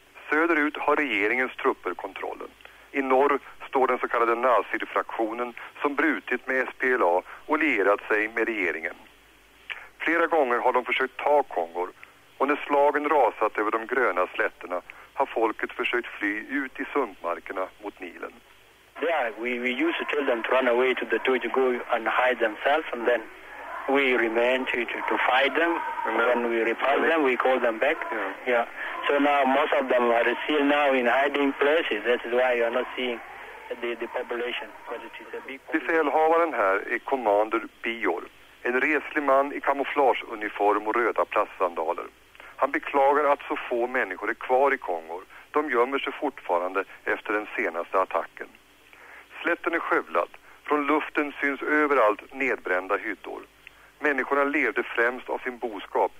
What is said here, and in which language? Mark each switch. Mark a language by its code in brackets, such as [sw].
[sv] Söderut har regeringens trupper kontrollen. I norr står den så kallade Nasir-fraktionen som brutit med SPLA och lierat sig med regeringen. Flera gånger har de försökt ta Kongor, och när slagen rasat över de gröna slätterna har folket försökt fly ut i sumpmarkerna mot Nilen. [en] Yeah, we used to tell them to run away to the Toi to go and hide themselves, and then we remain to fight them. When we repulse them, we call them back. Yeah. So now most of them are still now in hiding places. That is why you are not seeing the population, because it is a big. [sv] Befälhavaren här är Commander Bior, en reslig man i kamouflageuniform och röda plastsandaler. Han beklagar att så få människor är kvar i Kongor. De gömmer sig fortfarande efter den senaste attacken. Slätten är skövlad. Från luften syns överallt nedbrända hyddor. Människorna levde främst av sin boskap.